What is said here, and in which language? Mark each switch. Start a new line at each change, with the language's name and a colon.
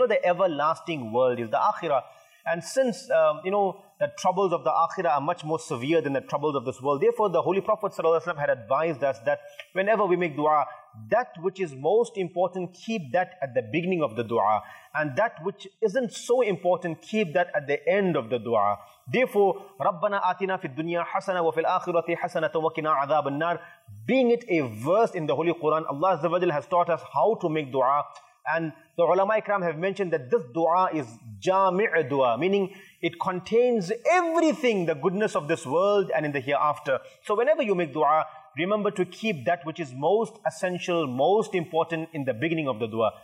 English: You know, the everlasting world is the akhirah. And since, you know, the troubles of the akhirah are much more severe than the troubles of this world, therefore the Holy Prophet ﷺ had advised us that whenever we make dua, that which is most important, keep that at the beginning of the dua. And that which isn't so important, keep that at the end of the dua. Therefore,
Arabic: رَبَّنَا آتِنَا فِي الدُّنْيَا حَسَنَةً وَفِي الْآخِرَةِ حَسَنَةً وَقِنَا عَذَابَ النَّارِ.
English: Being it a verse in the Holy Quran, Allah has taught us how to make dua. And the ulama ikram have mentioned that this dua is jami'a dua, meaning it contains everything, the goodness of this world and in the hereafter. So whenever you make dua, remember to keep that which is most essential, most important in the beginning of the dua.